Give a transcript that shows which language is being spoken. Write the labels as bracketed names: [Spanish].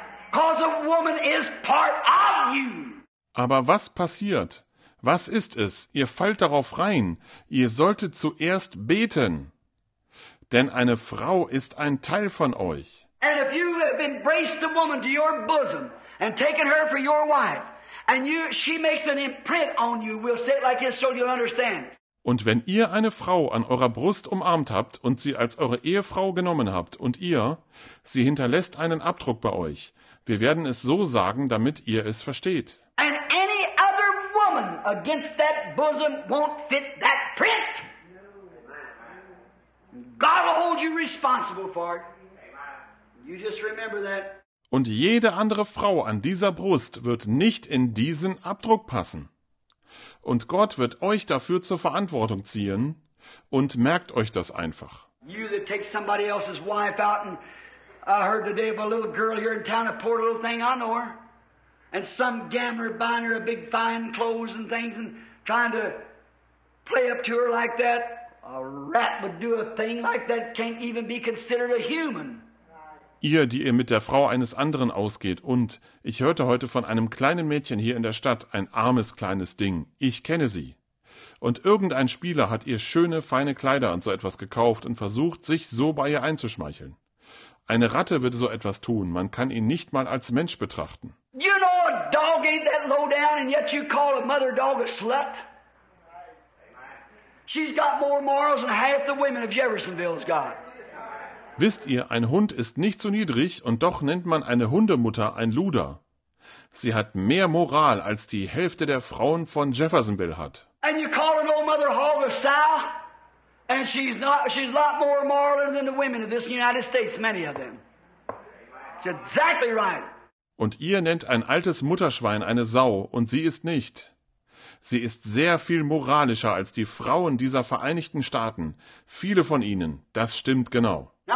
[English] Because a woman is part of you. [German] Aber was passiert? Was ist es? Ihr fallt darauf rein. Ihr solltet zuerst beten. Denn eine Frau ist ein Teil von euch. [English] And if you have embraced a woman to your bosom and taken her for your wife, and you, she makes an imprint on you, we'll say it like this so you'll understand. [German] Und wenn ihr eine Frau an eurer Brust umarmt habt und sie als eure Ehefrau genommen habt und ihr, sie hinterlässt einen Abdruck bei euch. Wir werden es so sagen, damit ihr es versteht. [English] And any other woman against that bosom won't fit that print. God will hold you responsible for it. You just remember that. [German] Und jede andere Frau an dieser Brust wird nicht in diesen Abdruck passen. Und Gott wird euch dafür zur Verantwortung ziehen und merkt euch das einfach. [English] You that take somebody else's wife out, and I heard the day of a little girl here in town, a poor little thing, I know her, and some gambler buying her a big fine clothes and things and trying to play up to her like that. A rat would do a thing like that, can't even be considered a human. [German] Ihr, die ihr mit der Frau eines anderen ausgeht, und ich hörte heute von einem kleinen Mädchen hier in der Stadt, ein armes kleines Ding, ich kenne sie. Und irgendein Spieler hat ihr schöne, feine Kleider und so etwas gekauft und versucht, sich so bei ihr einzuschmeicheln. Eine Ratte würde so etwas tun, man kann ihn nicht mal als Mensch betrachten. [English] You know, a dog ain't that low down, and yet you call a mother dog a slut? She's got more morals than half the women of Jeffersonville's got. [German] Wisst ihr, ein Hund ist nicht so niedrig und doch nennt man eine Hundemutter ein Luder. Sie hat mehr Moral, als die Hälfte der Frauen von Jeffersonville hat. [English] And you call an old mother hog a sow? And she's a lot more moral than the women of this United States, many of them. It's exactly right. [German] Und ihr nennt ein altes Mutterschwein eine Sau und sie ist nicht. Sie ist sehr viel moralischer als die Frauen dieser Vereinigten Staaten. Viele von ihnen, das stimmt genau.